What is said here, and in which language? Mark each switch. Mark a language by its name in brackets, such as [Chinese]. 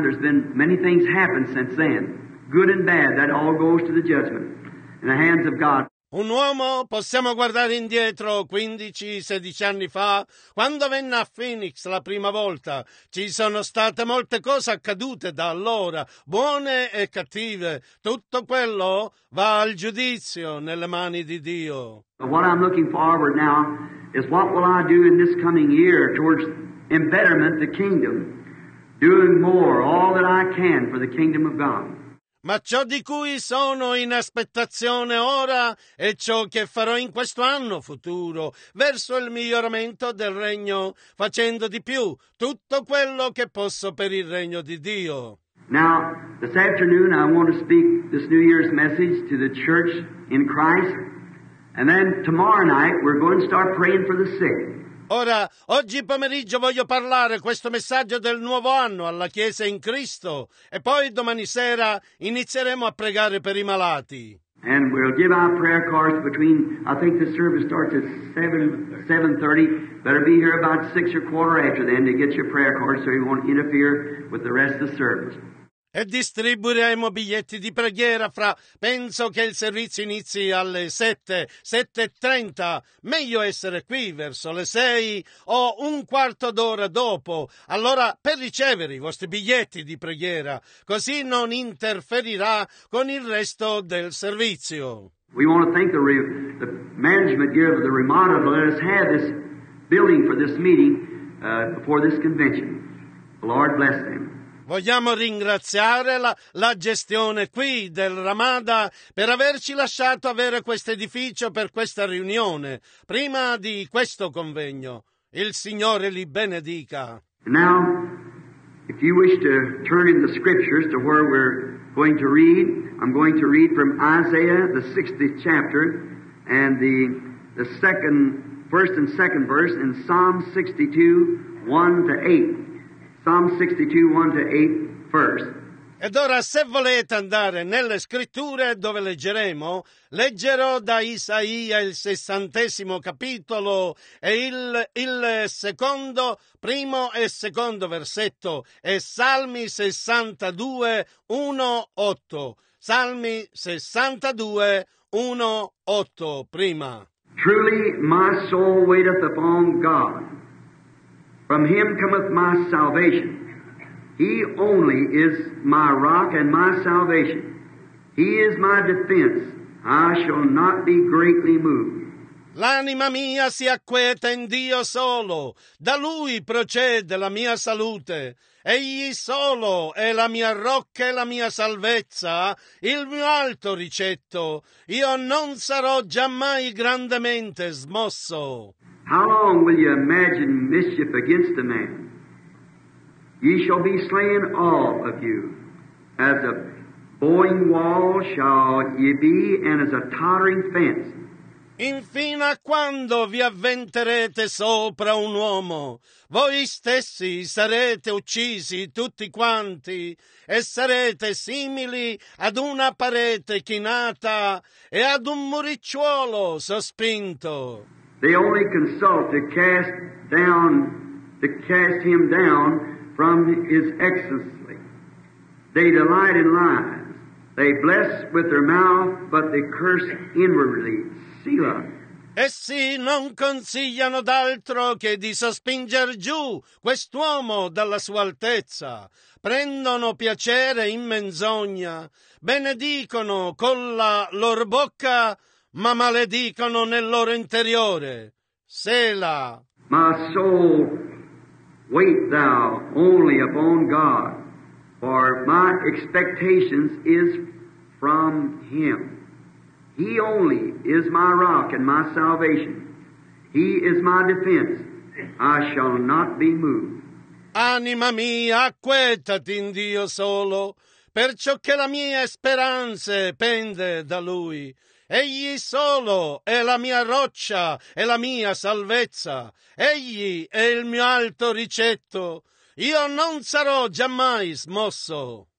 [English] There's been many things happened since then, good and bad. That all goes to the judgment in the hands of God. [Italian] Un uomo, possiamo guardare indietro 15-16 anni fa, quando venne a Phoenix la prima volta. Ci sono state molte cose accadute da allora, buone e cattive. Tutto quello va al giudizio nelle mani di Dio. [English] What I'm looking forward now is what will I do in this coming year towards embetterment the kingdom, doing more, all that I can for the kingdom of God. [Italian] Ma ciò di cui sono in aspettazione ora è ciò che farò in questo anno futuro, verso il miglioramento del regno, facendo di più tutto quello che posso per il regno di Dio. [English] Now, this afternoon I want to speak this New Year's message to the church in Christ, and then tomorrow night we're going to start praying for the sick. [Italian] Ora, oggi pomeriggio voglio parlare questo messaggio del nuovo anno alla Chiesa in Cristo e poi domani sera inizieremo a pregare per i malati. [English] And we'll give our prayer cards between, I think the service starts at 7:30. Better be here about 6 or quarter after then to get your prayer card so you won't interfere with the rest of the service. [Italian] E distribuiremo biglietti di preghiera fra, penso che il servizio inizi alle 7:30, meglio essere qui verso le 6 o un quarto d'ora dopo, allora per ricevere i vostri biglietti di preghiera, così non interferirà con il resto del servizio. [English] We want to thank the management here of the Ramada to let us have this building for this meeting before this convention. The Lord bless them. [Italian] Vogliamo ringraziare la gestione qui del Ramada per averci lasciato avere questo edificio per questa riunione, prima di questo convegno. Il Signore li benedica. [English] Now, if you wish to turn in the scriptures to where we're going to read, I'm going to read from Isaiah, the 60th chapter, and the second, first and second verse in Psalm 62, 1-8. Psalm 62, 1-8, first. [Italian] Ed ora, se volete andare nelle scritture dove leggeremo, leggerò da Isaia il 60° capitolo e il secondo, primo e secondo versetto, e Salmi 62, 1-8. Salmi 62, 1, 8, prima. [English] Truly my soul waiteth upon God. From him cometh my salvation. He only is my rock and my salvation. He is my defense. I shall not be greatly moved. [Italian] L'anima mia si acqueta in Dio solo. Da Lui procede la mia salute. Egli solo è la mia rocca e la mia salvezza, il mio alto ricetto. Io non sarò giammai grandemente smosso. [English] How long will you imagine mischief against a man? Ye shall be slain all of you. As a bowing wall shall ye be, and as a tottering fence. [Italian] Infine a quando vi avventerete sopra un uomo, voi stessi sarete uccisi tutti quanti e sarete simili ad una parete chinata e ad un muricciuolo sospinto. [English] They only consult to cast down, to cast him down from his excellency. They delight in lies. They bless with their mouth, but they curse inwardly. [Italian] Essi non consigliano d'altro che di sospinger giù quest'uomo dalla sua altezza. Prendono piacere in menzogna, benedicono con la loro bocca, ma maledicono nel loro interiore. Sela. [English] My soul, wait thou only upon God, for my expectations is from him. He only is my rock and my salvation. He is my defense. I shall not be moved. [Italian] Anima mia, acquetati in Dio solo, perciò che la mia speranza pende da Lui. Egli solo è la mia roccia e la mia salvezza. Egli è il mio alto ricetto. Io non sarò giammai smosso.